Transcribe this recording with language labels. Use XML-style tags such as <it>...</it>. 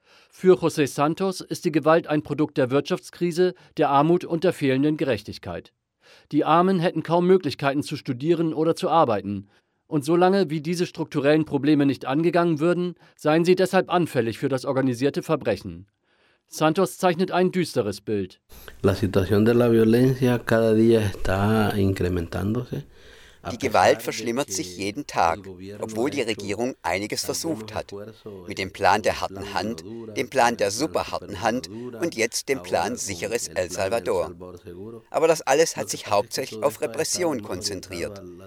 <de>Für José Santos ist die Gewalt ein Produkt der Wirtschaftskrise, der Armut und der fehlenden Gerechtigkeit. Die Armen hätten kaum Möglichkeiten zu studieren oder zu arbeiten. Und solange wie diese strukturellen Probleme nicht angegangen würden, seien sie deshalb anfällig für das organisierte Verbrechen. Santos zeichnet ein düsteres Bild.</de> <es>La situación de la violencia cada día está incrementándose.</es> <de>Die Gewalt verschlimmert sich jeden Tag, obwohl die Regierung einiges versucht hat. Mit dem Plan der harten Hand, dem Plan der superharten Hand und jetzt dem Plan sicheres El Salvador. Aber das alles hat sich hauptsächlich auf Repression konzentriert.</de>